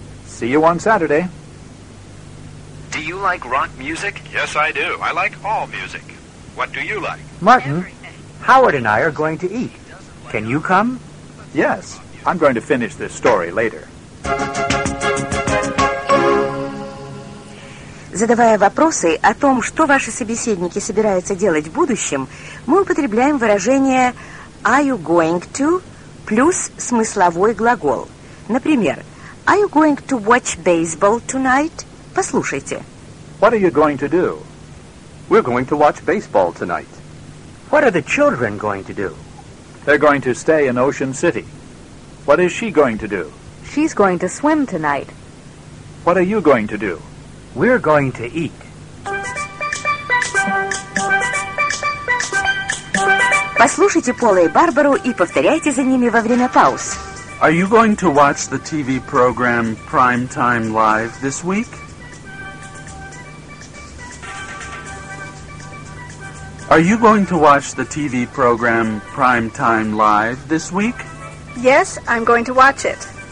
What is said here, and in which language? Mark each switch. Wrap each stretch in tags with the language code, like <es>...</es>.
<en>See you on Saturday. Do you like rock music? Yes, I do. I like all music. What do you like? Martin, everything. Howard and I are going to eat. Can you come? Yes. I'm going to finish this story later.</en> <ru>Задавая вопросы о том, что ваши собеседники собираются делать в будущем, мы употребляем выражение</ru> <en>«Are you going to?»</en> <ru>плюс смысловой глагол.</ru> <en>Например, «Are you going to watch baseball tonight?»</en> <ru>Послушайте.</ru> <en>What are you going to do? We're going to watch baseball tonight. What are the children going to do? They're going to stay in Ocean City. What is she going to do? She's going to swim tonight. What are you going to do? We're going to eat.</en> <ru>Послушайте Пола и Барбару и повторяйте за ними во время пауз.</ru> <en>Are you going to watch the TV program Primetime Live this week? Are you going to watch the TV program Primetime Live this week? Yes, I'm going to watch it.</en>